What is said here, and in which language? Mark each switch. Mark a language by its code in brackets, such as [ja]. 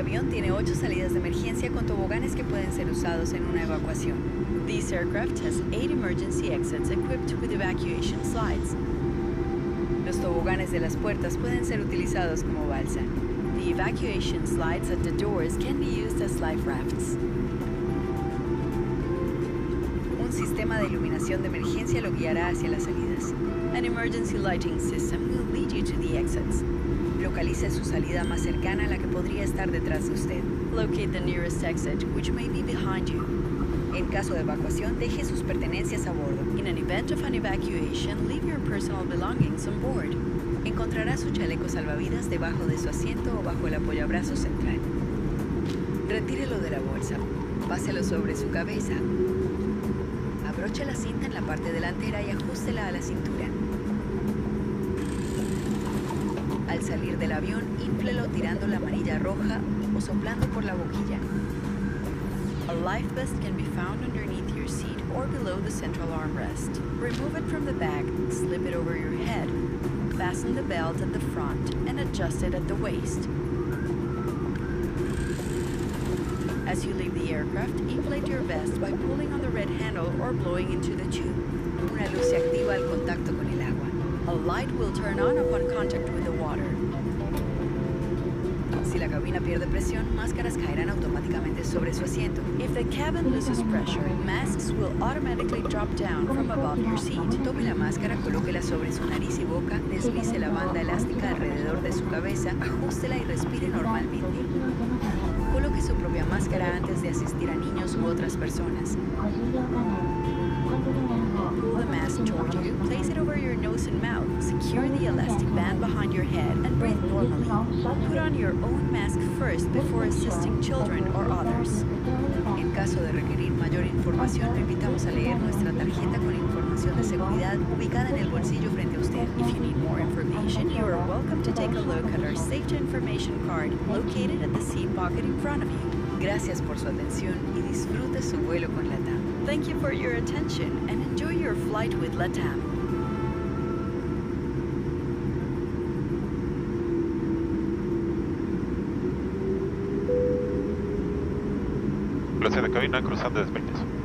[es] Tiene 8 salidas de emergencia con toboganes que pueden ser usados en una evacuación. [en] This aircraft has 8 emergency exits equipped with evacuation slides. [es] Los toboganes de las puertas pueden ser utilizados como balsa. [en] The The evacuation slides at the doors can be used as life rafts. [es] Un sistema de iluminación de emergencia lo guiará hacia las salidas. [en] An emergency lighting system will lead you to the exits. [es] Localice su salida más cercana a la que podría estar detrás de usted. [en] Locate the nearest exit, which may be behind you. [es] En caso de evacuación, deje sus pertenencias a bordo. [en] In an event of an evacuation, leave your personal belongings on board. [es] Encontrará su chaleco salvavidas debajo de su asiento o bajo el apoyabrazo central. Retírelo de la bolsa. Páselo sobre su cabeza. Abroche la cinta en la parte delantera y ajústela a la cintura. Al salir del avión, inflelo tirando la manilla roja o soplando por la boquilla. [en] A life vest can be found underneath your seat or below the central armrest. Remove it from the bag, slip it over your head, fasten the belt at the front, and adjust it at the waist. As you leave the aircraft, inflate your vest by pulling on the red handle or blowing into the tube. [es] Una luz se activa al contacto con el agua. [en] A light will turn on upon contact with the water. [es] Si la cabina pierde presión, máscaras caerán automáticamente sobre su asiento. [en] If the cabin loses pressure, masks will automatically drop down from above your seat. [es] Tome la máscara, colóquela sobre su nariz y boca, deslice la banda elástica alrededor de su cabeza, ajústela y respire normalmente. Coloque su propia máscara antes de asistir a niños u otras personas. [en] Pull the mask towards you, place it over your nose and mouth, secure the elastic band behind your head, and breathe normally. Put on your own mask first before assisting children or others. [es] En caso de requerir mayor información, le invitamos a leer nuestra tarjeta con información de seguridad ubicada en el bolsillo frente a usted. [en] If you need more information, you are welcome to take a look at our safety information card located at the seat pocket in front of you. [es] Gracias por su atención y disfrute su vuelo con LATAM. [en] Thank you for your attention and enjoy your flight with LATAM. [es] Gracias a la cabina cruzando despegues.